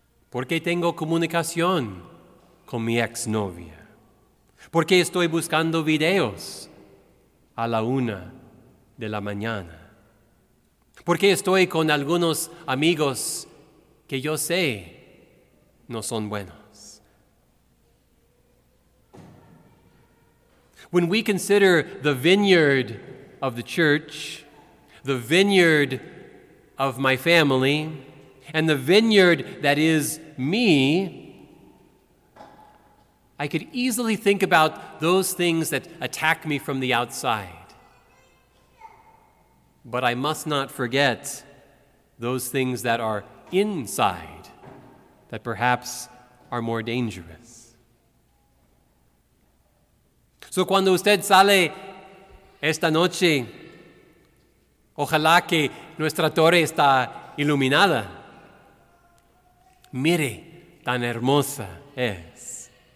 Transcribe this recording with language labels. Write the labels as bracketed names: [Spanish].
[Spanish] ¿Por qué tengo comunicación con mi exnovia? ¿Por qué estoy buscando videos a la 1 de la mañana? ¿Por qué estoy con algunos amigos que yo sé no son buenos? [English] When we consider the vineyard of the church, the vineyard of my family, and the vineyard that is me, I could easily think about those things that attack me from the outside. But I must not forget those things that are inside, that perhaps are more dangerous. [Spanish] So cuando usted sale esta noche, ojalá que nuestra torre está iluminada. Mire, tan hermosa es.